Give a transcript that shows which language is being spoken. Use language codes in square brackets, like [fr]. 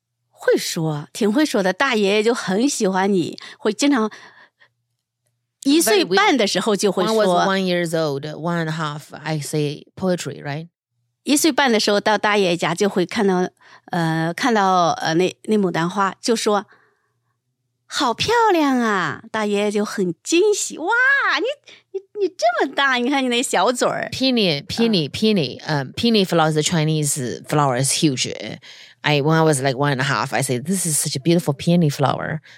[zh] 会说，挺会说的。大爷爷就很喜欢你，会经常一岁半的时候就会说 [en] When I was 1 year old, one and a half, I say poetry, right? [zh] 一岁半的时候到大爷家就会看到那牡丹花就说 好漂亮啊, 大爷就很惊喜, 哇, 你这么大, 你看你那小嘴儿, [en] Peony flowers, the Chinese flower is huge. When I was like one and a half, I said, this is such a beautiful peony flower.